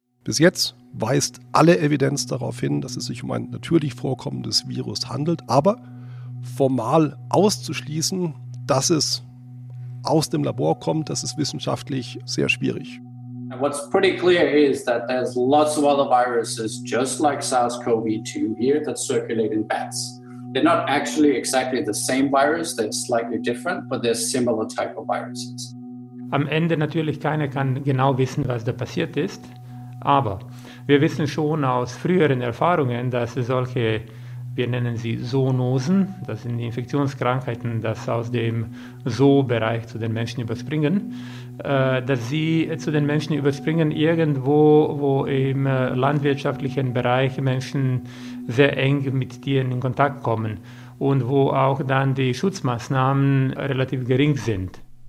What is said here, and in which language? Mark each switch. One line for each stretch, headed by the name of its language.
German: Bis jetzt weist alle Evidenz darauf hin, dass es sich um ein natürlich vorkommendes Virus handelt, aber formal auszuschließen, dass es aus dem Labor kommt, das ist wissenschaftlich sehr schwierig.
English: What's pretty clear is that there's lots of other viruses just like SARS-CoV-2 here that circulate in bats. They're not actually exactly the same virus, they're slightly different, but they're similar type of viruses.
German: Am Ende natürlich keiner kann genau wissen, was da passiert ist, aber wir wissen schon aus früheren Erfahrungen, dass solche, wir nennen sie Zoonosen, das sind die Infektionskrankheiten, das aus dem Zoo-Bereich zu den Menschen überspringen, dass sie zu den Menschen überspringen irgendwo, wo im landwirtschaftlichen Bereich Menschen sehr eng mit Tieren in Kontakt kommen und wo auch dann die Schutzmaßnahmen relativ gering sind.